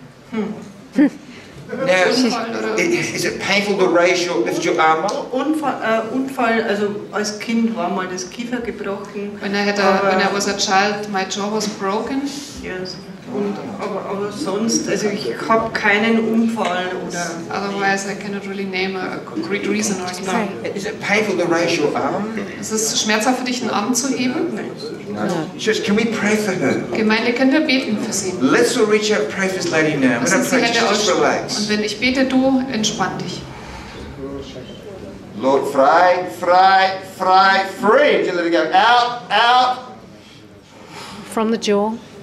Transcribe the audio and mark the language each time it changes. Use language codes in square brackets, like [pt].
[en] Now, is it painful to raise your, lift your arm up? [de] Unfall, also als Kind war mal das Kiefer gebrochen. [en] When I was a child, my jaw was broken. Yes. [de] Und aber sonst, also ich habe keinen Unfall oder. [en] Otherwise, I cannot really name a concrete reason or anything. Is it painful to raise your arm? [de] Ist es schmerzhaft für dich, den Arm zu heben? [en] No. Can we pray for her? [de] Gemeinde, können wir beten für sie? [en] Let's all reach out and pray for this lady now. Let's pray. Just relax. [de] Und wenn ich bete, du entspann dich. [en] Lord, [de] frei, frei, frei, [en] free. Just let it go. Out, out. From the jaw.